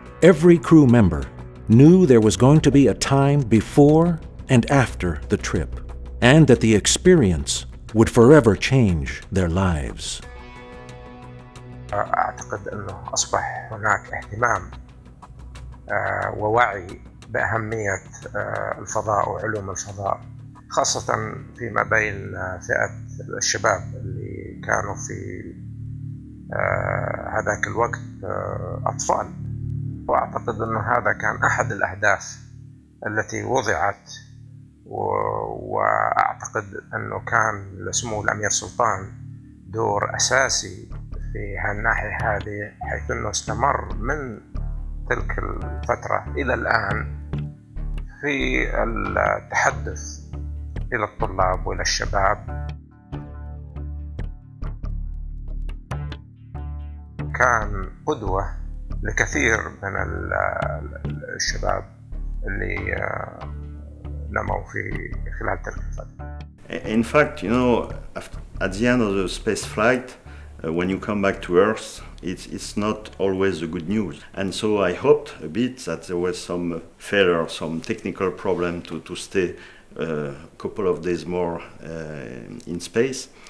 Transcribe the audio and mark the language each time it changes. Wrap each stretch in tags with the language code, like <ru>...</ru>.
<ar>Every crew member knew there was going to be a time before and after the trip, and that the experience would forever change their lives. أعتقد أنه أصبح هناك اهتمام ووعي بأهمية الفضاء وعلوم الفضاء، خاصة فيما بين فئة الشباب اللي كانوا في هذاك الوقت أطفال. وأعتقد أن هذا كان أحد الأهداف التي وضعت، وأعتقد أنه كان لسمو الأمير سلطان دور أساسي في هالناحية هذه، حيث أنه استمر من تلك الفترة إلى الآن في التحدث إلى الطلاب وإلى الشباب. كان قدوة لكثير من الشباب اللي نموا في خلال تلك الفترة.</ar> <en>In fact, you know, at the end of the space flight, when you come back to Earth, it's not always good news. And so I hoped a bit that there was some failure, some technical problem to stay a couple of days more in space.</en>